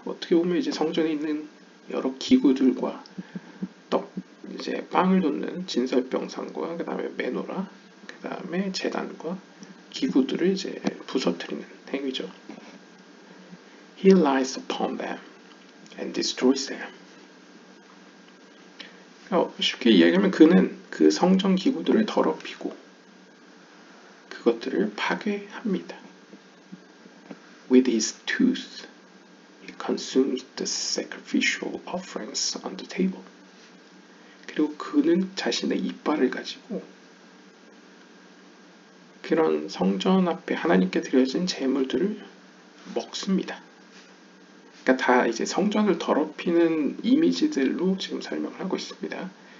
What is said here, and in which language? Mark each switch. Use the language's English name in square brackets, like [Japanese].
[Korean] 어떻게 보면 이제 성전에 있는 여러 기구들과 떡, 이제 빵을 놓는 진설병상과 그 다음에 메노라, 그 다음에 제단과 기구들을 이제 부서뜨리는 행위죠. [English] He lies upon them and destroys them. [Korean] 쉽게 이야기하면 그는 그 성전 기구들을 더럽히고 그것들을 파괴합니다. [English] With his tooth, he consumes the sacrificial offerings on the table. [Korean] 그리고 그는 자신의 이빨을 가지고 그런 성전 앞에 하나님께 드려진 제물들을 먹습니다. 그러니까 다 이제 성전을 더럽히는 이미지들로 지금 설명을 하고 있습니다.